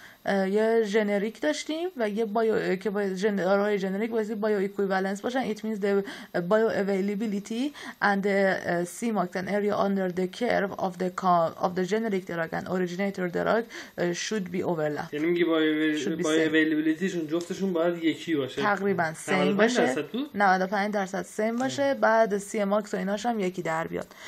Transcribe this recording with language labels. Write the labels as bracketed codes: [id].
[fa] یه جنریک داشتیم و یه بایو که داروهای جنریک باید بایو اکویوالنس باشن. [en] It means the bioavailability and the CMAX and area under the curve of the generic drug and originator drug should be overlapped. [fa] یعنی میگه bioavailabilityشون جفتشون باید یکی باشه، تقریبا سیم باشه، 95% سیم باشه. بعد CMAX و ایناش هم یکی در بیاد.